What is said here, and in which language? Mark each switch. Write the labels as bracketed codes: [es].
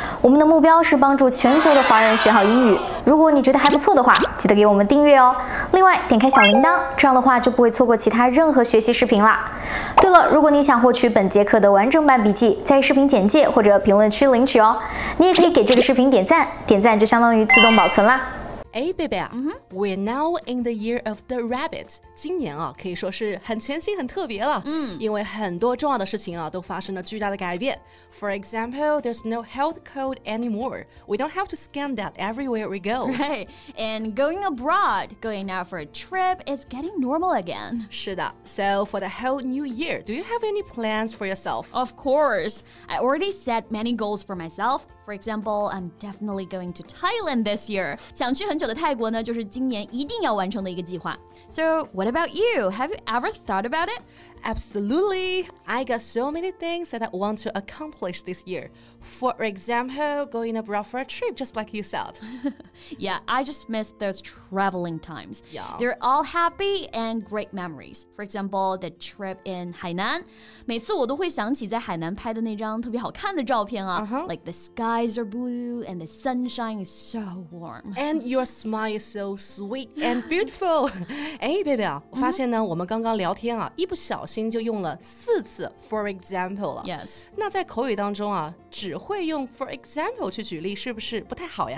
[zh] 我们的目标是帮助全球的华人学好英语。如果你觉得还不错的话，记得给我们订阅哦。另外，点开小铃铛，这样的话就不会错过其他任何学习视频啦。对了，如果你想获取本节课的完整版笔记，在视频简介或者评论区领取哦。你也可以给这个视频点赞，点赞就相当于自动保存啦。哎，贝贝啊， [en] We're now in the year of the rabbit. [zh] 今年啊，可以说是很全新、很特别了。因为很多重要的事情啊，都发生了巨大的改变。 [en] For example, there's no health code anymore. We don't have to scan that everywhere we go. Right. And going abroad, going out for a trip, is getting normal again. [zh] 是的。 [en] So for the whole new year, do you have any plans for yourself? Of course. I already set many goals for myself. For example, I'm definitely going to Thailand this year. [zh] 想去很久的泰国呢，就是今年一定要完成的一个计划。 [en] So, what about you? Have you ever thought about it? Absolutely. I got so many things that I want to accomplish this year. For example, going abroad for a trip, just like you said. Yeah, I just miss those traveling times. Yeah. They're all happy and great memories. For example, the trip in Hainan. [zh] 每次我都会想起在海南拍的那张特别好看的照片啊。 Uh-huh. [en] Like the skies are blue and the sunshine is so warm. And your smile is so sweet and beautiful. [zh] 哎，贝贝啊，我发现呢，我们刚刚聊天啊，一不小心就用了四次 for example 了。 [en] Yes. [zh] 那在口语当中啊，只会用 for example 去举例，是不是不太好呀？